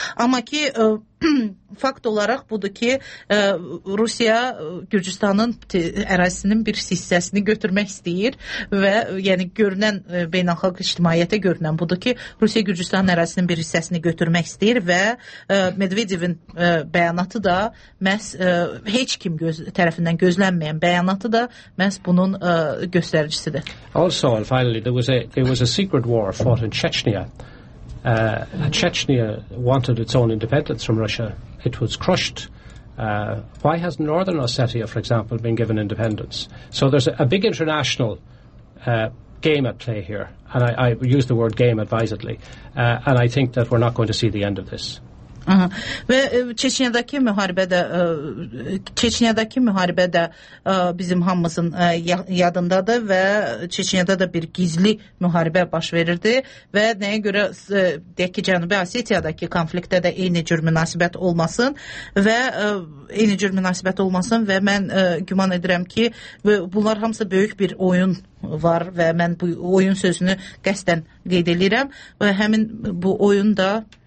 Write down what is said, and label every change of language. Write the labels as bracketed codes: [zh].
[az] Amma ki, fakt olaraq budur ki, Rusiya Gürcüstanın ərazisinin bir hissəsini götürmək istəyir və yəni görünən beynəlxalq ictimaiyyətə görünən budur ki, Rusiya Gürcüstanın ərazisinin bir hissəsini götürmək istəyir və Medvedevin bəyanatı da məhz heç kim tərəfindən gözlənməyən bəyanatı da məhz bunun göstəricisidir. [en] Also, and finally, there was a secret war fought in Chechnya. Chechnya wanted its own independence from Russia. It was crushed. Why has Northern Ossetia, for example, been given independence? So there's a big international game at play here, and I use the word game advisedly, and I think that we're not going to see the end of this. [az] Və Çeçniyadakı müharibə də bizim hamımızın yadındadır və Çeçniyada da bir gizli müharibə baş verirdi və nəyə görə deyək ki, Cənubi Asiyadakı konfliktdə də eyni cür münasibət olmasın və mən güman edirəm ki, bunlar hamısı böyük bir oyun var və mən bu oyun sözünü qəsdən qeyd edirəm və həmin bu oyun da